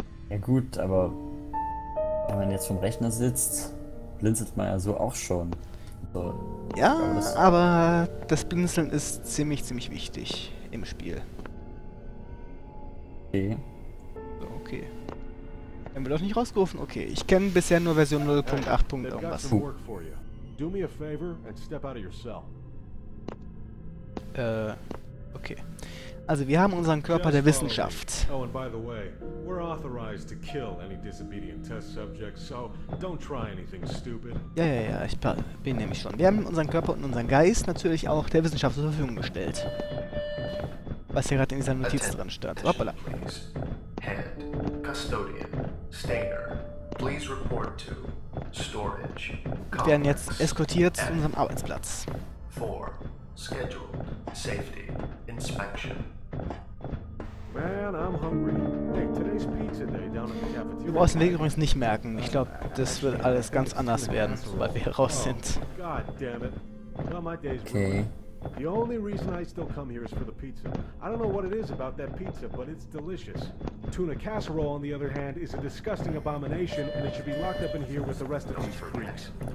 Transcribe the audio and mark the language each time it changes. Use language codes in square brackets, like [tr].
[de] Ja gut, aber wenn man jetzt vom Rechner sitzt, blinzelt man ja so auch schon. So. Ja, aber das Blinzeln ist ziemlich, ziemlich wichtig im Spiel. Okay. So, okay. Haben wir doch nicht rausgerufen? Okay, ich kenne bisher nur Version 0.8. irgendwas. [en] Do me a favor and step out of your cell. [de] Okay. Also, wir haben unseren Körper der Wissenschaft. [en] Oh, and by the way, we're authorized to kill any disobedient test subjects, so don't try anything stupid. [de] Ja, ich bin nämlich schon. Wir haben unseren Körper und unseren Geist natürlich auch der Wissenschaft zur Verfügung gestellt. Was hier gerade in dieser Notiz drin stand. Hoppala. [en] Head, Custodian, Stainer, please report to Storage. [de] Wir werden jetzt eskortiert zu unserem Arbeitsplatz. [en] 4. Scheduled. Safety. Inspection. Man, I'm hungry. Hey, today's pizza day down in the cafeteria. [de] Du brauchst den Weg übrigens nicht merken. Ich glaube, das wird alles ganz anders werden, sobald wir raus sind. [en] God damn it. Well, my day's okay. The only reason I still come here is for the pizza. I don't know what it is about that pizza, but it's delicious. Tuna casserole, on the other hand, is a disgusting abomination, and it should be locked up in here with the rest of these freaks.